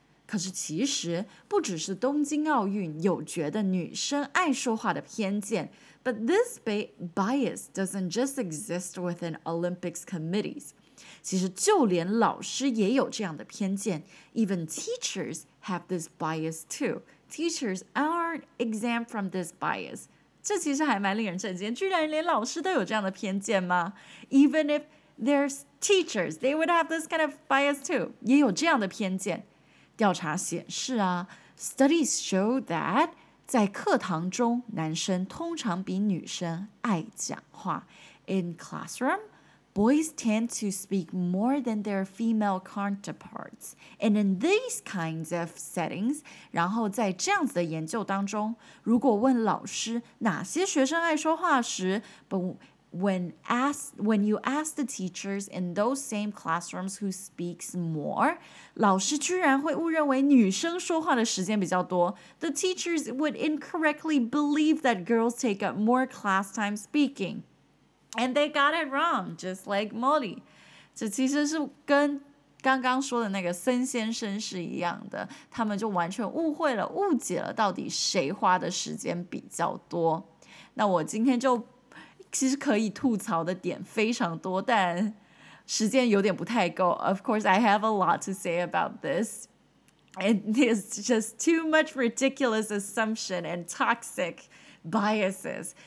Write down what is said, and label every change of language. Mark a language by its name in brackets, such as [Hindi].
[Chinese] 可是其实不只是东京奥运有觉得女生爱说话的偏见 [English] But this bias doesn't just exist within Olympics committees [Chinese] 其实就连老师也有这样的偏见 [English] Even teachers have this bias too Teachers aren't exempt from this bias [Chinese] 这其实还蛮令人震惊，居然连老师都有这样的偏见吗？ [English] Even if there's teachers, they would have this kind of bias too. [Chinese] 也有这样的偏见。调查显示啊， [English] studies show that [Chinese] 在课堂中男生通常比女生爱讲话。 [English] In classroom, boys tend to speak more than their female counterparts. And in these kinds of settings, [Chinese] 然后在这样子的研究当中，如果问老师哪些学生爱说话时， [English] When you ask the teachers in those same classrooms who speaks more, [Chinese] 老师居然会误认为女生说话的时间比较多。 [English] The teachers would incorrectly believe that girls take up more class time speaking. And they got it wrong, just like Molly. [Chinese] 这其实是跟刚刚说的那个森先生是一样的，他们就完全误会了，误解了到底谁花的时间比较多。那我今天就其实可以吐槽的点非常多，但时间有点不太够。 [English] Of course, I have a lot to say about this. It is just too much ridiculous assumption and toxic biases.